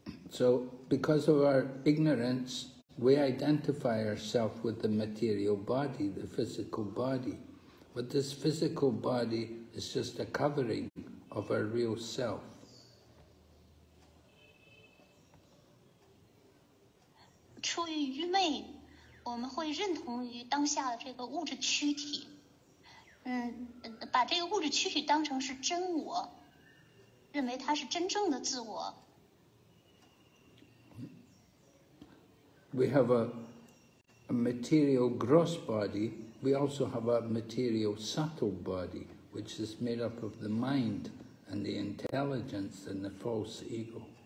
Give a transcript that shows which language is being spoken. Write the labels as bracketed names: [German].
[English] So, because of our ignorance, we identify ourselves with the material body, the physical body. But this physical body is just a covering of our real self. [Chinese] 出于愚昧，我们会认同于当下的这个物质躯体，把这个物质躯体当成是真我，认为它是真正的自我。 [English] We have a material gross body, we also have a material subtle body, which is made up of the mind and the intelligence and the false ego.